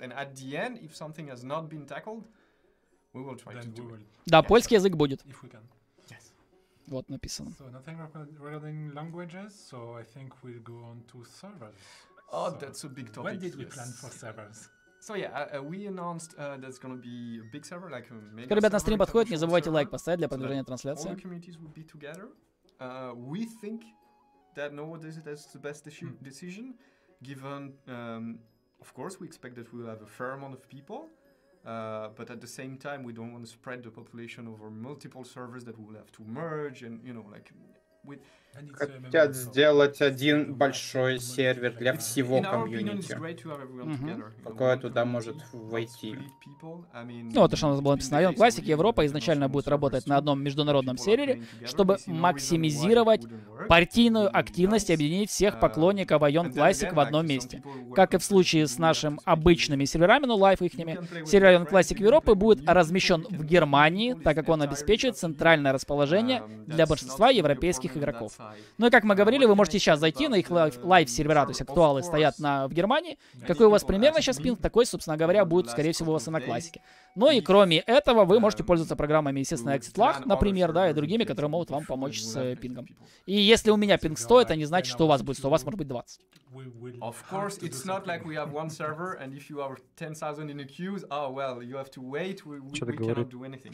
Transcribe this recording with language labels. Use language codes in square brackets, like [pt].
[en] And at the end, if something has not been tackled, we will try then to do it. [ru] Да, yeah. Польский язык будет. [en] If we can. Yes. [ru] Вот написано. [en] So nothing regarding languages, so I think we'll go on to servers. Oh, so that's a big topic. When did yes. we plan for servers? So yeah, we announced that's gonna be a big server, like a mega. [ru] Когда ребят на стрим подходят, не забывайте лайк поставить для продвижения трансляции. [en] All communities will be together. We think that nowadays that's the best decision, given, of course, we expect that we will have a fair amount of people, but at the same time, we don't want to spread the population over multiple servers that we will have to merge, and you know, like with. [ru] Хотят сделать один большой сервер для всего комьюнити, какое туда может войти. Ну вот, что у нас было написано. Ion Classic Европа изначально будет работать на одном международном сервере, чтобы максимизировать партийную активность и объединить всех поклонников Ion Classic в одном месте. Как и в случае с нашими обычными серверами, но лайф ихними, сервер Ion Classic Европы будет размещен в Германии, так как он обеспечивает центральное расположение для большинства европейских игроков. Ну и как мы говорили, вы можете сейчас зайти на их лайв-сервера, то есть актуалы стоят на, в Германии. Какой у вас примерно сейчас пинг, такой, собственно говоря, будет, скорее всего, у вас и на классике. Ну и кроме этого, вы можете пользоваться программами, естественно, ExitLag, например, да, и другими, которые могут вам помочь с пингом. И если у меня пинг 100, это не значит, что у вас будет 100, у вас может быть 20. [en] Of course, it's not like we have one server, and if you have 10,000 in a queue, oh, well, you have to wait, we cannot do anything.